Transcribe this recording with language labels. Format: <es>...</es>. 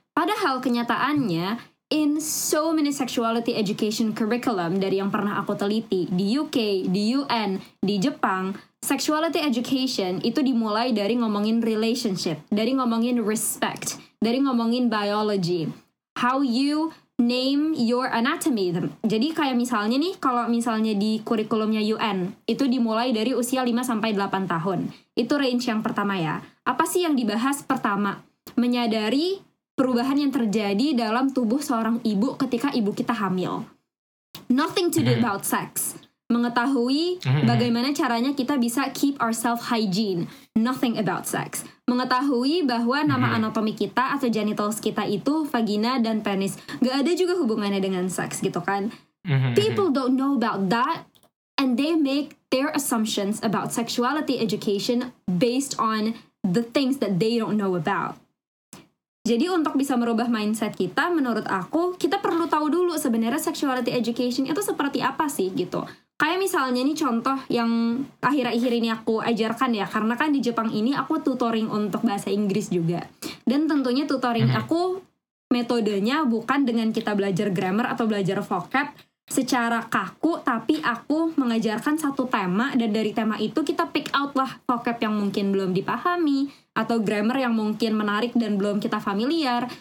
<id>Padahal kenyataannya,</id> <en>in so many sexuality education curriculum</en> <id>dari yang pernah aku teliti di UK, di UN, di Jepang, sexuality education itu dimulai dari ngomongin relationship, dari ngomongin respect, dari ngomongin biology.</id> <en>How you name your anatomy.</en> <id>Jadi kayak misalnya nih, kalau misalnya di kurikulumnya UN, itu dimulai dari usia 5-8 tahun. Itu range yang pertama ya. Apa sih yang dibahas pertama? Menyadari perubahan yang terjadi dalam tubuh seorang ibu ketika ibu kita hamil.</id> <en>Nothing to do about sex.</en> <id>Mengetahui bagaimana caranya kita bisa</id> <en>keep ourselves hygiene. Nothing about sex.</en> <id>Mengetahui bahwa nama anatomi kita atau genitals kita itu vagina dan penis. Gak ada juga hubungannya dengan sex gitu kan.</id> <en>People don't know about that, and they make their assumptions about sexuality education based on the things that they don't know about.</en> <id>Jadi untuk bisa merubah mindset kita, menurut aku, kita perlu tahu dulu sebenarnya sexuality education itu seperti apa sih gitu. Kayak misalnya nih contoh yang akhir-akhir ini aku ajarkan ya, karena kan di Jepang ini aku tutoring untuk bahasa Inggris juga. Dan tentunya tutoring aku metodenya bukan dengan kita belajar grammar atau belajar vocab secara kaku, tapi aku mengajarkan satu tema, dan dari tema itu kita</id> <en>pick out</en> <id>lah vocab yang mungkin belum dipahami, atau grammar yang mungkin menarik dan belum kita familiar.</id>